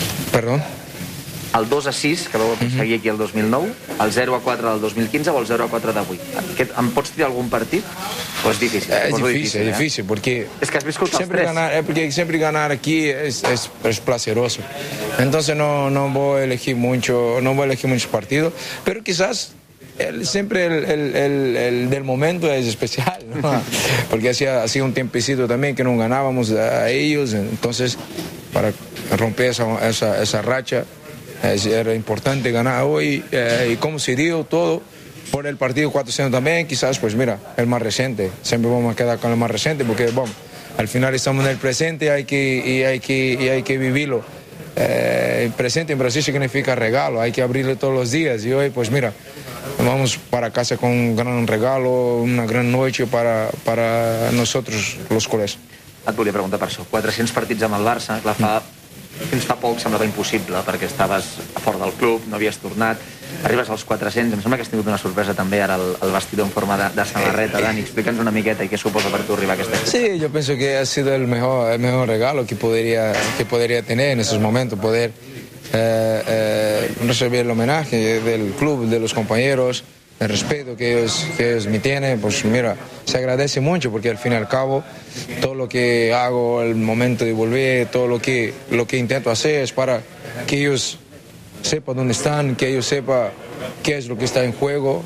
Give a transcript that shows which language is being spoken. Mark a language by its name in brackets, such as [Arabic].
[Catalan] Perdó? El 2-6, que vau aconseguir aquí el 2009, el 0-4 del 2015 o el 0-4 d'avui. Em pots dir algun partit? O és difícil? És difícil, perquè... És que has viscut els tres. Perquè sempre ganar aquí és placeroso. [Spanish] Entonces no voy a elegir mucho, no voy a elegir muchos partidos, pero quizás siempre el del momento es especial, ¿no? Porque hacía un tiempecito también que no ganábamos a ellos, entonces para romper esa racha, era importante ganar hoy y cómo se dio todo por el partido 4-0 también, quizás pues mira, el más reciente, siempre vamos a quedar con el más reciente porque bueno, al final estamos en el presente y hay que vivirlo. Presente en Brasil significa regalo, hay que abrirlo todos los días y hoy pues mira, vamos para casa con un gran regalo, una gran noche para nosotros los culés. [Catalan] Et volia preguntar per això, 400 partits amb el Barça, clar, fins fa poc semblava impossible perquè estaves fora del club, no havies tornat. Arribes als 400, em sembla que has tingut una sorpresa també ara al vestidor en forma de samarreta. Dani, explica'ns una miqueta i què suposa per tu arribar a aquesta lluita. Sí, jo penso que [Spanish] ha sido el mejor regalo que podría tener en esos momentos, poder recibir el homenaje del club, de los compañeros, el respeto que ellos me tienen, pues mira, se agradece mucho porque al fin y al cabo todo lo que hago, el momento de volver, todo lo que intento hacer es para que ellos sepan dónde están, que ellos sepan qué es lo que está en juego.